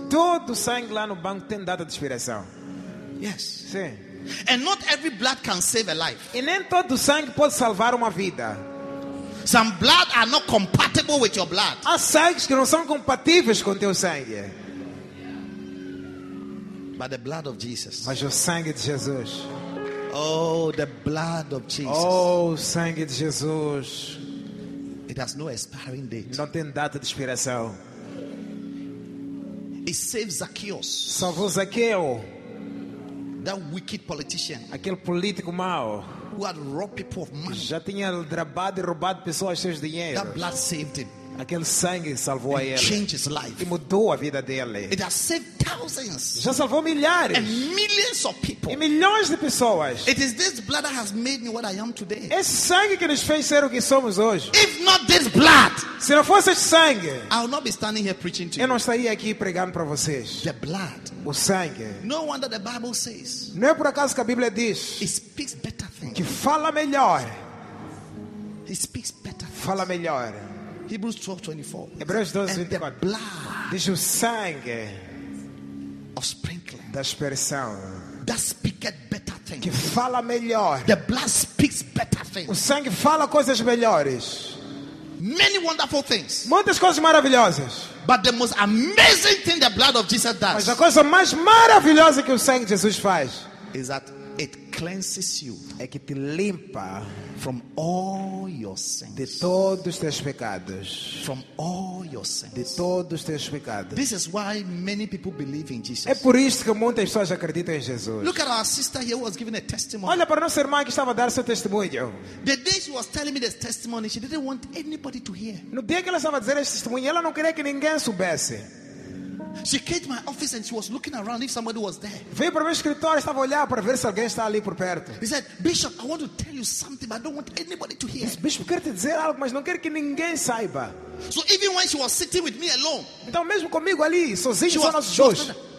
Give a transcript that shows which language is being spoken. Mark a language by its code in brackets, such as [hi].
[pt] Todo sangue lá no banco tem data de expiração. [en] Yes. [pt] Sim. [en] And not every blood can save a life. [pt] E nem todo sangue pode salvar uma vida. [en] Some blood are not compatible with your blood. [pt] Há sangues que não são compatíveis com teu sangue. [en] But the blood of Jesus. [pt] Mas o sangue de Jesus. [en] Oh, the blood of Jesus. [pt] Oh, sangue de Jesus. [en] It has no expiring date. [pt] Não tem data de expiração. [en] It saves Zacchaeus. [pt] Salvou Zaqueu. [en] That wicked politician. [pt] Aquele político mau. [en] Who had robbed people of money. [pt] Já tinha drabado e roubado pessoas seus dinheiros. [en] That blood saved him. [pt] Aquele sangue salvou a ele. [en] Changed his life. [pt] E mudou a vida dele. [en] It has saved thousands. [pt] Já salvou milhares. [en] And millions of people. [pt] E milhões de pessoas. [en] It is this blood that has made me what I am today. [pt] Esse sangue que nos fez ser o que somos hoje. [en] If not this blood, [pt] se não fosse esse sangue, [en] I will not be standing here preaching to [pt] you. Eu não estaria aqui pregando para vocês. [en] The blood. [pt] O sangue. [en] No wonder the Bible says. [pt] Não é por acaso que a Bíblia diz. [en] It speaks better things. [pt] Que fala melhor. [en] It speaks better things. [pt] Fala melhor. Hebreus 12:24. [en] The blood, [pt] diz o sangue [en] of sprinkling, [pt] da aspersão, [en] that speaketh better things, [pt] que fala melhor. [en] The blood speaks better things. [pt] O sangue fala coisas melhores. [en] Many wonderful things. [pt] Muitas coisas maravilhosas. [en] But the most amazing thing the blood of Jesus does. [pt] Mas a coisa mais maravilhosa que o sangue de Jesus faz [en] is that it cleanses you. [pt] É que te limpa [en] from all your sins. [pt] De todos os teus pecados. [en] From all your sins. [pt] De todos os teus pecados. [en] This is why many people believe in Jesus. [pt] É por isso que muitas pessoas acreditam em Jesus. [en] Look at our sister here who was giving a testimony. [pt] Olha para nossa irmã que estava a dar seu testemunho. [en] The day she was telling me this testimony, she didn't want anybody to hear. [pt] No dia que ela estava a dizer esse testemunho, ela não queria que ninguém soubesse. [en] She came to my office and she was looking around if somebody was there. [pt] Veio para o meu escritório, estava a olhar para ver se alguém está ali por perto. [en] He said, Bishop, I want to tell you something, but I don't want anybody to hear. [pt] Bispo, quero te dizer algo, mas não quero que ninguém saiba. [en] So even when she was sitting with me alone, [pt] então mesmo comigo ali, sozinho, só nós dois.